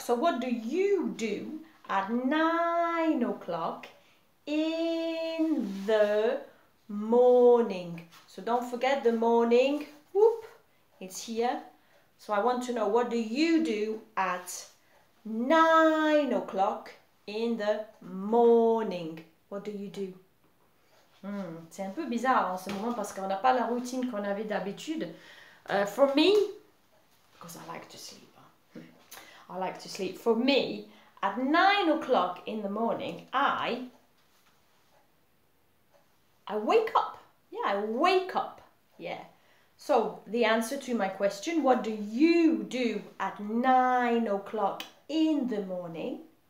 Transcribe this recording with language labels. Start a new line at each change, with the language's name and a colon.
English: So what do you do at 9 o'clock in the morning? So don't forget the morning. Whoop, it's here. So I want to know, what do you do at 9 o'clock in the morning? What do you do?
French: C'est un peu bizarre en ce moment parce qu'on n'a pas la routine qu'on avait d'habitude.
English: For me, because I like to sleep. I like to sleep. For me, at 9 o'clock in the morning, I wake up. Yeah, I wake up. Yeah. So the answer to my question, what do you do at 9 o'clock in the morning?